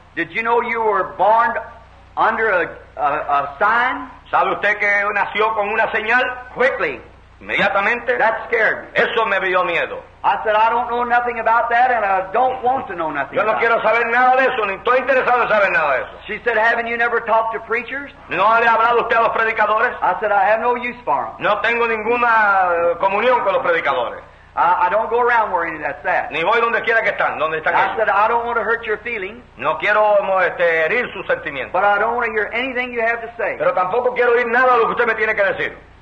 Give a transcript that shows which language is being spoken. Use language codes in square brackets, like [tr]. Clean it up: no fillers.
[en] did you know you were born under a sign? [es] ¿Sabe usted que nació con una señal? [en] Quickly. [es] Inmediatamente. [en] That scared me. [es] Eso me dio miedo. [en] I said, I don't know nothing about that and I don't want to know nothing [es] yo no [en] about [es] quiero saber nada de eso, ni estoy interesado en saber nada de eso. [en] She said, haven't you never talked to preachers? [es] ¿No le ha hablado usted a los predicadores? [en] I said, I have no use for them. [es] No tengo ninguna comunión con los predicadores. [en] I don't go around where any of that's at. [es] Ni voy donde quiera que están, donde están. [en] I said, I don't want to hurt your feelings. [es] No quiero herir sus sentimientos. [en] But I don't want to hear anything you have to say. [es] Pero tampoco quiero oír nada de lo que usted me tiene que decir.